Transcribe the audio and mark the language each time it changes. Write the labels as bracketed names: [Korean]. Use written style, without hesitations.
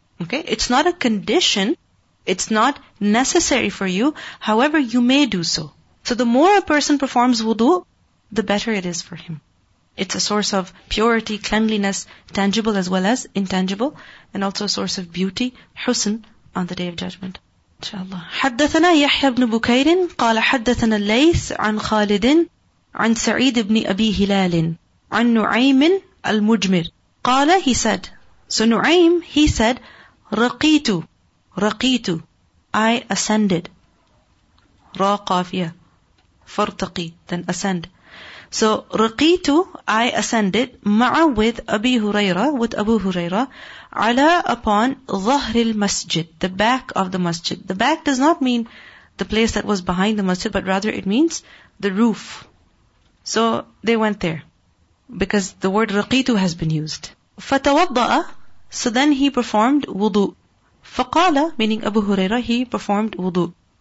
[English] Okay? It's not a condition. It's not necessary for you. However, you may do so. So the more a person performs wudu, the better it is for him. It's a source of purity, cleanliness, tangible as well as intangible, and also a source of beauty, husn, on the Day of Judgment. Inshallah. [Arabic] حدثنا يحيى بن بكير قال حدثنا الليث عن خالد عن سعيد بن أبي هلال عن نعيم المجمر قال, [English] he said, so [Arabic] نعيم, he said, رقيت, [English] I ascended. [Arabic] را قافية, فارتقي, [English] then ascend. So رقيت, I ascended, مع with أبي هريرة, with أبو هريرة, على upon [Arabic] ظهر المسجد, [English] the back of the masjid. The back does not mean the place that was behind the masjid, but rather it means the roof. So they went there, because the word رقيت has been used. فتوضأ, so then he performed wudu. فقال, meaning أبو هريرة, he performed wudu.